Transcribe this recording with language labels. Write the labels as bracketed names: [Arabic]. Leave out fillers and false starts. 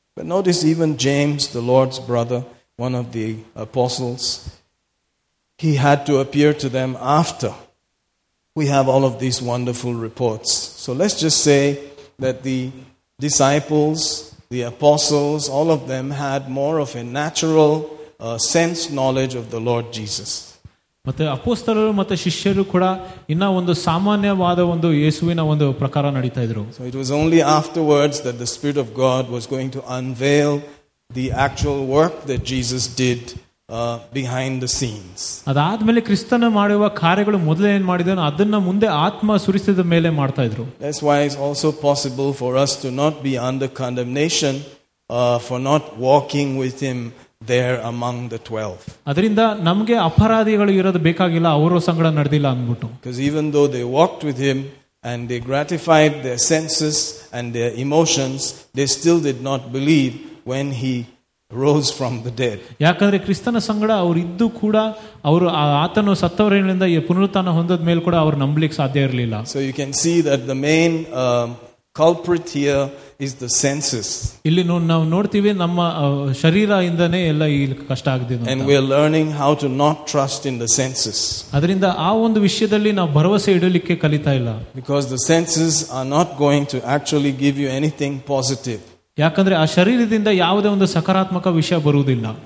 [English] But notice even James, the Lord's brother, one of the apostles, he had to appear to them after. We have all of these wonderful reports. So let's just say that the disciples, the apostles, all of them had more of a natural sense knowledge of the Lord Jesus. [Kannada] ಮತ್ತೆ ಅಪೋಸ್ತಲರು ಮತ್ತೆ ಶಿಷ್ಯರು ಕೂಡ ಇನ್ನ ಒಂದು ಸಾಮಾನ್ಯವಾದ ಒಂದು ಯೇಸುವಿನ ಒಂದು ಪ್ರಕಾರ ನಡೀತಾ ಇದ್ರು. [English] So it was only afterwards that the Spirit of God was going to unveil the actual work that Jesus did behind the scenes. [Kannada] ಅದಾದ್ಮೇಲೆ ಕ್ರಿಸ್ತನ ಮಾಡುವ ಕಾರ್ಯಗಳು ಮೊದಲೇ ಏನ್ ಮಾಡಿದನು ಅದನ್ನ ಮುಂದೆ ಆತ್ಮ ಸುರಿಸಿದ ಮೇಲೆ ಮಾಡ್ತಾ ಇದ್ರು. [English] That's why it's also possible for us to not be under condemnation for not walking with him there among the 12. [Kannada] ಅದರಿಂದ ನಮಗೆ ಅಪರಾಧಿಗಳು ಇರೋದು ಬೇಕಾಗಿಲ್ಲ ಅವರ ಸಂಗಡ ನಡೆದಿಲ್ಲ ಅಂದ್ಬಿಟ್ಟು. [English] Because even though they walked with him and they gratified their senses and their emotions, they still did not believe when he rose from the dead. [Kannada] ಯಾಕಂದ್ರೆ ಕ್ರಿಸ್ತನ ಸಂಗಡ ಅವರು ಇದ್ದು ಕೂಡ ಅವರು ಆತನು ಸತ್ತವರಿಂದ ಪುನರುತ್ಥಾನ ಹೊಂದದ ಮೇಲೆ ಕೂಡ ಅವರು ನಂಬಲಿಕ್ಕೆ ಸಾಧ್ಯ ಇರಲಿಲ್ಲ. [English] So you can see that the main culprit here is the senses. [Kannada] ಇಲ್ಲಿ ನಾವು ನೋಡ್ತೀವಿ ನಮ್ಮ ಶರೀರದಿಂದನೇ ಎಲ್ಲ ಇಲ್ಲಿ ಕಷ್ಟ ಆಗಿದೆ. [English] And we are learning how to not trust in the senses. [Kannada] ಅದರಿಂದ ಆ ಒಂದು ವಿಷಯದಲ್ಲಿ ನಾವು ಭರವಸೆ ಇಡಲಿಕ್ಕೆ ಕಲಿತಾ ಇಲ್ಲ. [English] Because the senses are not going to actually give you anything positive. [Kannada] ಯಾಕಂದ್ರೆ ಆ ಶರೀರದಿಂದ ಯಾವುದೇ ಒಂದು ಸಕಾರಾತ್ಮಕ ವಿಷಯ ಬರುವುದಿಲ್ಲ.